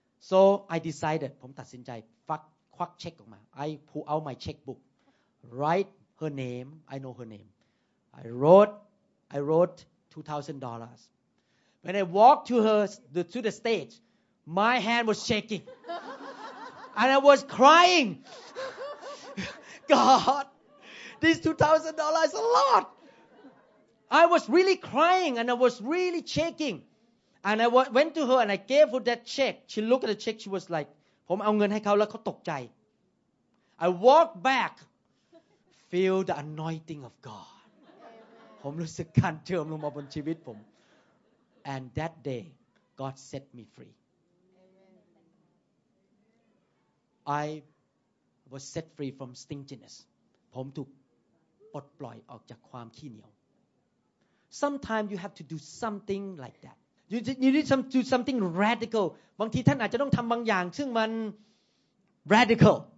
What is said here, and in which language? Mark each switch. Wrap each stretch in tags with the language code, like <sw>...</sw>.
<en>so I decided</en> <th>ผมตัดสินใจฟักควักเช็คออกมา</th> <en>I pull out my checkbook write her name I know her name I wrote $2,000 when I walked to her to the stage my hand was shaking and I was crying God this $2,000 is a lotI was really crying and I was really shaking. And I went to her and I gave her that check. She looked at the check. She was like,</en> <th>ผมเอาเงินให้เขาแล้วเขาตกใจ</th> <en>I walked back. Feel the anointing of God.</en> <th>ผมรู้สึกการเจิมลงมาบนชีวิตผม</th> <en>And that day, God set me free. I was set free from stinginess.</en> <th>ผมถูกปลดปล่อยออกจากความขี้เหนียว</th> <en>Sometimes you have to do something like that. You need to do something radical.</en> <th>บางทีท่านอาจจะต้องทำบางอย่างซึ่งมัน radical.</th>